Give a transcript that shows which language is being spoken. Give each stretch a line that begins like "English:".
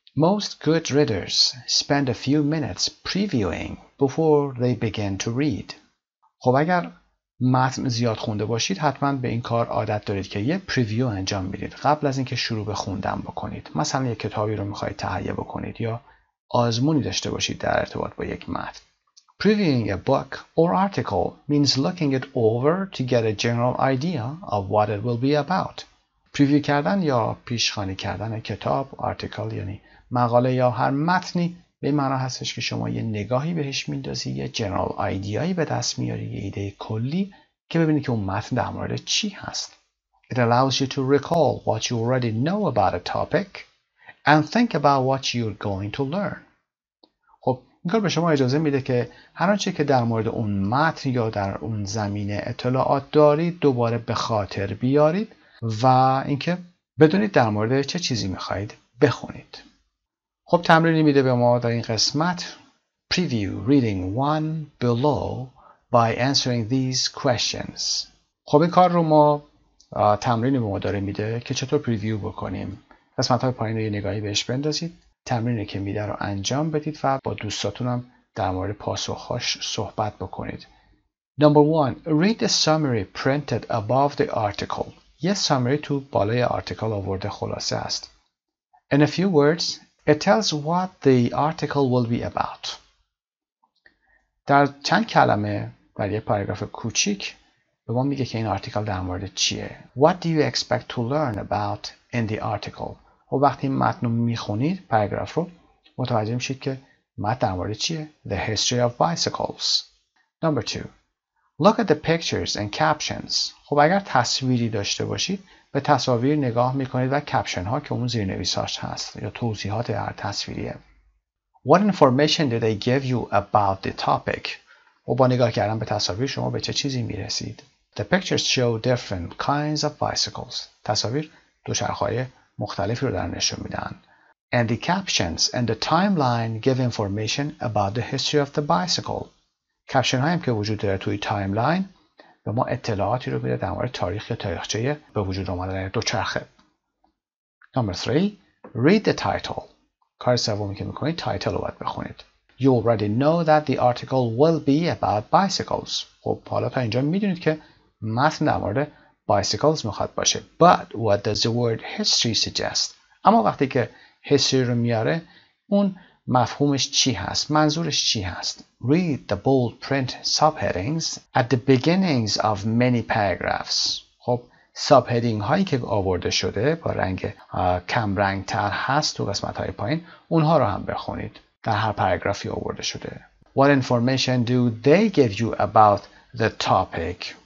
English: Most good readers spend a few minutes previewing before they begin to read.
Persian: خب اگر متن زیاد خونده باشید حتما به این کار عادت دارید که یه پریویو انجام میدید قبل از اینکه شروع به خوندن بکنید. مثلا یه کتابی رو میخواید تهیه بکنید یا آزمونی داشته باشید در ارتباط با یک متن.
English: Previewing a book or article means looking it over to get a general idea of what it will be about.
Persian: پریویو کردن یا پیشخوانی کردن کتاب، آرتیکل یعنی مقاله یا هر متنی به معنا هستش که شما یه نگاهی بهش میندازی، یه جنرال ایدیایی به دست میاری، یه ایده کلی که ببینی که اون متن در مورد چی هست.
English: It allows you to recall what you already know about a topic and think about what you're going to learn.
Persian: خب این کار به شما اجازه میده که هر آنچه که در مورد اون متن یا در اون زمینه اطلاعات دارید دوباره به خاطر بیارید و اینکه بدونید در مورد چه چیزی میخواید بخونید. خب تمرینی میده به ما در این قسمت.
English: Preview reading one below by answering these questions.
Persian: خب این کار رو ما تمرینی به ما داره میده که چطور پریویو بکنیم. قسمت های پایین رو یه نگاهی بهش بندازید. تمرینی که میده رو انجام بدید و با دوستاتونم در مورد پاسخهاش صحبت بکنید.
English: Number one, read the summary printed above the article.
Persian: یه summary تو بالای article آورده خلاصه است.
English: In a few words, it tells what the article will be about.
Persian: در چند کلمه در یک پاراگراف کوچیک به ما میگه که این آرتیکل در مورد چیه.
English: What do you expect to learn about in the article?
Persian: و وقتی متن رو میخونید پاراگراف رو متوجه میشید که متن در مورد چیه.
English: The history of bicycles. Number 2. Look at the pictures and captions.
Persian: خب اگر تصویری داشته باشید به تصاویر نگاه میکنید و کپشن ها که اون زیرنویساش هست یا توضیحات هر تصویریه.
English: What information did they give you about the topic؟
Persian: و با نگاه کردن به تصاویر شما به چه چیزی میرسید؟
English: The pictures show different kinds of bicycles.
Persian: تصاویر دوچرخه‌های مختلفی رو در نشون میدن.
English: And the captions and the timeline give information about the history of the bicycle.
Persian: کپشن هایی که وجود داره توی تایملاین به ما اطلاعاتی رو میده در مورد تاریخ یا تاریخچه به وجود آمدن دوچرخه.
English: Number 3. Read the title.
Persian: کار سومی که میکنید تایتل رو باید بخونید.
English: You already know that the article will be about bicycles.
Persian: خب حالا تا اینجا میدونید که متن در مورد bicycles میخواد باشه.
English: But what does the word history suggest?
Persian: اما وقتی که history رو میاره اون مفهومش چی هست؟
English: منظورش چی هست؟ Read the bold print subheadings at the beginnings of many paragraphs.
Persian: خب subheading هایی که آورده شده با رنگ کم رنگ تر هست تو قسمت های پایین اونها رو هم بخونید. در هر پاراگرافی آورده شده.
English: What information do they give you about the topic?